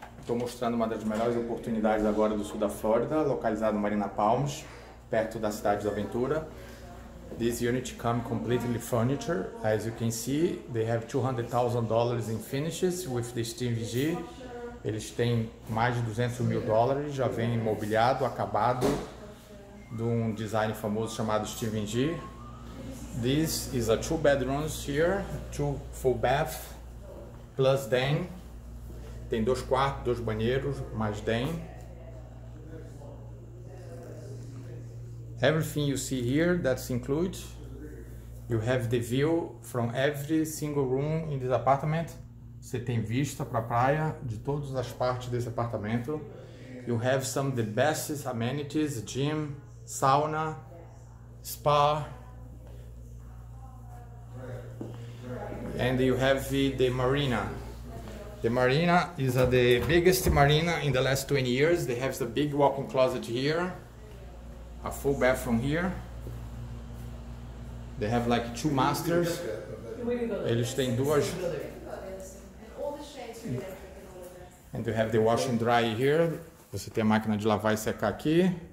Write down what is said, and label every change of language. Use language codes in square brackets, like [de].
[pt] Estou mostrando uma das melhores oportunidades agora do sul da Flórida, localizado em Marina Palms, perto da cidade da Aventura. [en] This unit comes completely furniture. As you can see, they have $200,000 in finishes with the steam VG. [pt] Eles têm mais de $200,000, já vem mobiliado, acabado, de um design famoso chamado Steven G. [en] This is a 2 bedrooms here, 2 full baths, plus den. [pt] Tem 2 quartos, 2 banheiros, mais den. [en] Everything you see here, that's included. You have the view from every single room in this apartment. [pt] Você tem vista para a praia de todas as partes desse apartamento. [en] You have some of the best amenities, gym, sauna, spa. And you have the marina. The marina is the biggest marina in the last 20 years. They have the big walk-in closet here. A full bathroom here. They have like 2 masters. [pt] Eles têm 2... [en] And you have the wash and dry here. [pt] Você tem a máquina de lavar e secar aqui.